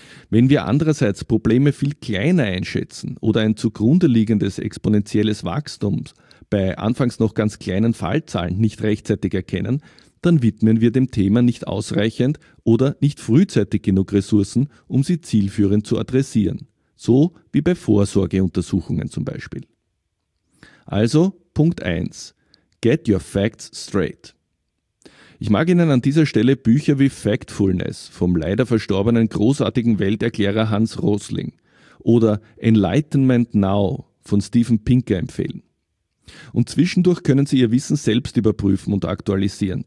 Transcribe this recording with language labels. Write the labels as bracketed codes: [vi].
[de] Wenn wir andererseits Probleme viel kleiner einschätzen oder ein zugrunde liegendes exponentielles Wachstum bei anfangs noch ganz kleinen Fallzahlen nicht rechtzeitig erkennen, dann widmen wir dem Thema nicht ausreichend oder nicht frühzeitig genug Ressourcen, um sie zielführend zu adressieren, so wie bei Vorsorgeuntersuchungen zum Beispiel. Also Punkt 1. [en] Get your facts straight. [de] Ich mag Ihnen an dieser Stelle Bücher wie Factfulness vom leider verstorbenen großartigen Welterklärer Hans Rosling oder Enlightenment Now von Steven Pinker empfehlen. Und zwischendurch können Sie Ihr Wissen selbst überprüfen und aktualisieren.